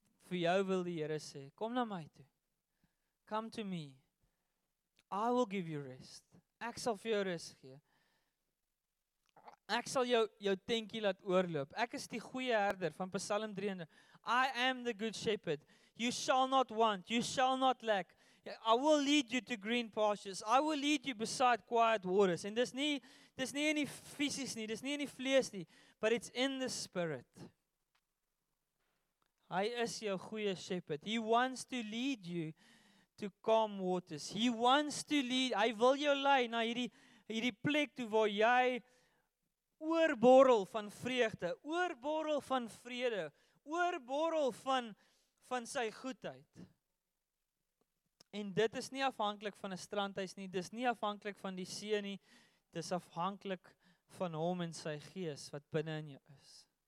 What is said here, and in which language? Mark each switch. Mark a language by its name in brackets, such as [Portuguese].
[Afrikaans] vir jou wil die Here sê, kom na my toe. [English] Come to me. I will give you rest. [Afrikaans] Ek sal vir jou rus gee. Ek sal jou tentjie laat oorloop. Ek is die goeie herder van Psalm 33. [English] I am the good shepherd. You shall not want, you shall not lack. I will lead you to green pastures. I will lead you beside quiet waters. [Afrikaans] En dis nie in die fisies nie, dis nie in die vlees nie, [English] but it's in the spirit. [Afrikaans] Hy is jou goeie shepherd. [English] He wants to lead you to calm waters. He wants to lead, [Afrikaans] hy wil jou lei na hierdie plek toe waar jy oorborrel van vreugde, oorborrel van vrede, oorborrel van sy goedheid. En dit is nie afhanklik van 'n strandhuis nie, dis nie afhanklik van die see nie, dis afhanklik van hom en sy gees wat binne in jou is.